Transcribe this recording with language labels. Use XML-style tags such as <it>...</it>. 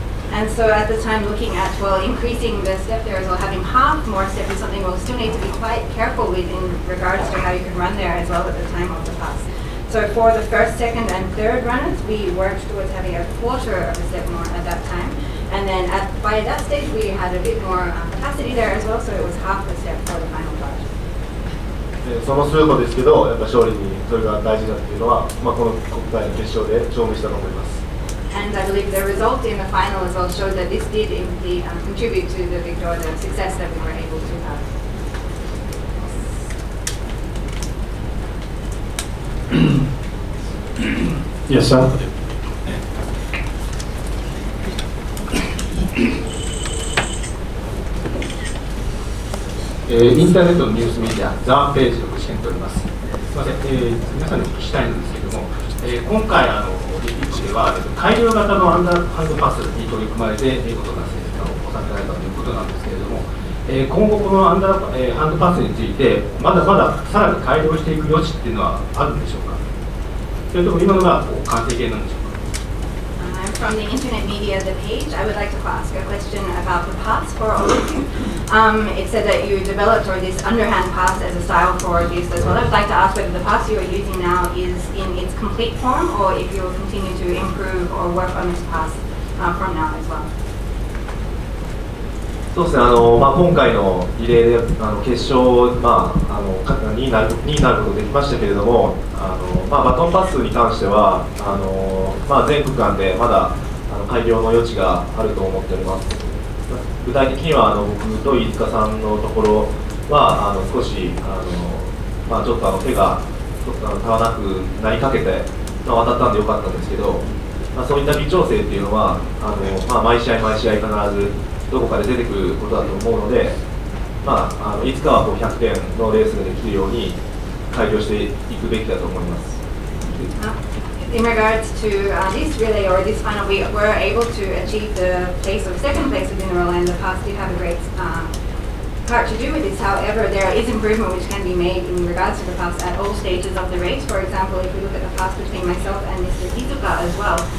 <en>And so at the time looking at, well, increasing the step there as well, having half more step is something we'll still need to be quite careful with in regards to how you can run there as well at the time of the pass. So for the first, second and third runners, we worked towards having a quarter of a step more at that time. And then at, by that stage, we had a bit more capacity there as well, so it was half a step for the final part.</en> <ja>その数歩ですけど、やっぱ勝利にそれが大事だっていうのは、この今回の決勝で証明したと思います。</ja> <en>And I believe the result in the final as well showed that this did indeed contribute to the victory, the success that we were able to have. Yes, sir.</en> <ja>インターネットのニュースメディア、ザ・ページを試験取ります。すみません、皆さんにお聞きしたいんですけども、今回オリンピックでは、改良型のアンダーハンドパスに取り組まれて、見事な成果を収められたということなんですけれども、今後このアンダー、ハンドパスについて、まだまださらに改良していく余地っていうのはあるんでしょうか。それとも今のが完成形なんでしょうか。</ja> <en>From the internet media, the page, I would like to ask a question about the pass for all of you. It said that you developed or this underhand pass as a style for use as well. I would like to ask whether the pass you are using now is in its complete form or if you will continue to improve or work on this pass from now as well.</en> <ja>そうですね、今回のリレーで決勝、2位になることができましたけれども、バトンパスに関しては、全区間でまだ改良の余地があると思っております。具体的には僕と飯塚さんのところは少しちょっと手がちょっと足らなくなりかけて、渡ったんでよかったんですけど、そういった微調整っていうのは毎試合毎試合必ずどこかで出てくることだと思うので、いつかは100点のレースができるように改良していくべきだと思います。</ja> <en>In regards to this relay or this final, we were able to achieve the place of second place within the relay in the past. We have a great part to do with this. However, there is improvement which can be made in regards to the past at all stages of the race. For example, if we look at the past between myself and Mr. Izuka as well.</en>